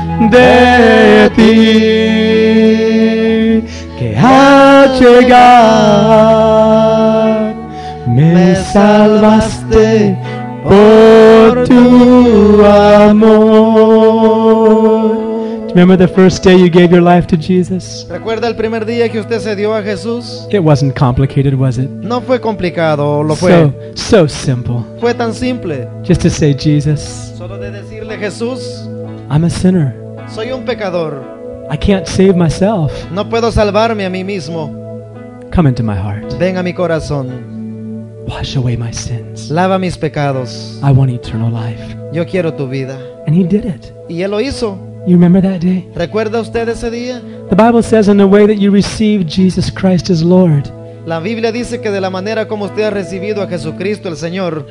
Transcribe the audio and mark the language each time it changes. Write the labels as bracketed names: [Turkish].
[Spanish] de ti, que al llegar me salvaste por tu amor. [English] Remember the first day you gave your life to Jesus? [Spanish] ¿Recuerda el primer día que usted se dio a Jesús? [English] It wasn't complicated, was it? [Spanish] No fue complicado, lo fue. [English] So simple. [Spanish] Fue tan simple. [English] Just to say Jesus. [Spanish] Solo de decirle Jesús. [English] I'm a sinner. [Spanish] Soy un pecador. [English] I can't save myself. [Spanish] No puedo salvarme a mí mismo. [English] Come into my heart. [Spanish] Ven a mi corazón. [English] Wash away my sins. [Spanish] Lava mis pecados. [English] I want eternal life. [Spanish] Yo quiero tu vida. [English] And He did it. [Spanish] Y Él lo hizo. [English] You remember that day? [Spanish] ¿Recuerda usted ese día? [English] The Bible says in the way that you receive Jesus Christ as Lord. [Spanish] La Biblia dice que de la manera como usted ha recibido a Jesucristo el Señor.